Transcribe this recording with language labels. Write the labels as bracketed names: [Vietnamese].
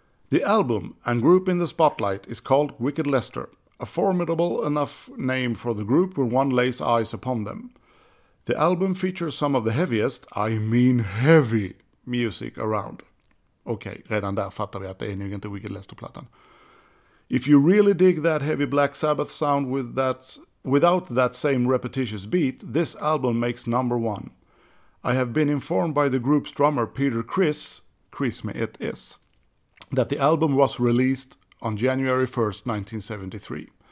[English] The album and group in the spotlight is called Wicked Lester, a formidable enough name for the group when one lays eyes upon them. The album features some of the heaviest, I mean heavy, music around. [Swedish] Okej, redan där fattar vi att det är nog inte Wicked Lester-plattan. [English] If you really dig that heavy Black Sabbath sound without that same repetitious beat, this album makes number one. I have been informed by the group's drummer Peter Chris [Swedish] med ett S, [English] that the album was released on January 1st, 1973.